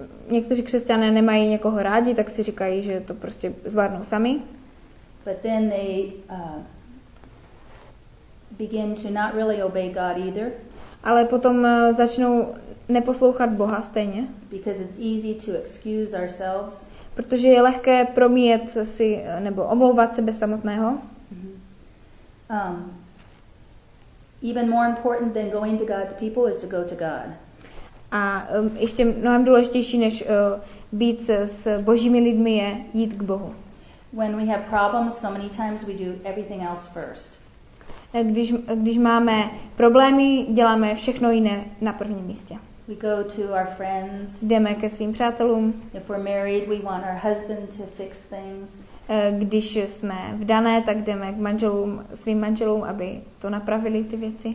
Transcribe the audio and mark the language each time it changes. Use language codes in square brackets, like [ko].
[cs] Někteří křesťané nemají někoho rádi, tak si říkají, že to prostě zvládnou sami. [en] But then they begin to not really obey God either. [cs] Ale potom začnou neposlouchat Boha stejně. [en] Because it's easy to excuse ourselves. [cs] Protože je lehké promíjet si nebo omlouvat sebe samotného. [en] Even more important than going to God's people is to go to God. [cs] A ještě mnohem důležitější než být s Božími lidmi je jít k Bohu. [en] When we have problems, so many times we do everything else first. [cs] Když máme problémy, děláme všechno jiné na prvním místě. [en] We go to our friends. [cs] Jdeme ke svým přátelům. [en] If we're married, we want our husband to fix things. [cs] Když jsme vdané, tak jdeme k manželům, svým manželům, aby to napravili ty věci.